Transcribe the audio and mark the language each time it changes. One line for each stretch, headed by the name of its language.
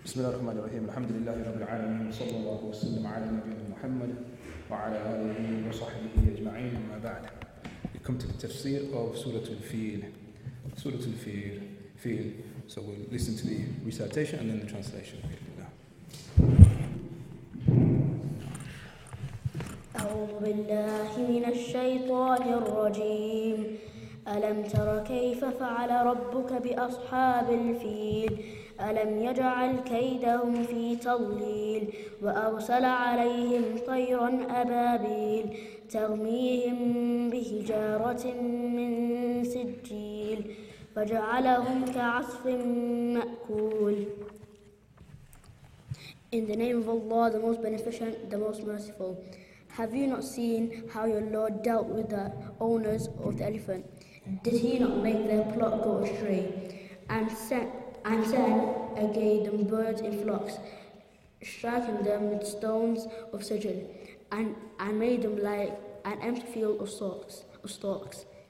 Arabic: بسم الله الرحمن الرحيم الحمد لله رب العالمين وصلى الله وسلم على نبينا محمد وعلى آله وصحبه أجمعين وما بعد.
English: We come to the Tafsir of Surah Al Fil. Surah Al Fil. So we'll listen to the recitation and then the translation.
Arabic: أعوذ بالله من الشيطان الرجيم. ألم تر كيف فعل ربك بأصحاب الفيل؟ ألم يجعل كيدهم في تضليل وأرسل عليهم طيرا أبابيل ترميهم بحجارة من سجيل فجعلهم كعصف مأكول.
English: In the name of Allah, the most beneficent, the most merciful. Have you not seen how your Lord dealt with the owners of the elephant? Did he not make their plot go astray and send again the birds in flocks, striking them with stones of sigil, and made them like an empty field of stalks?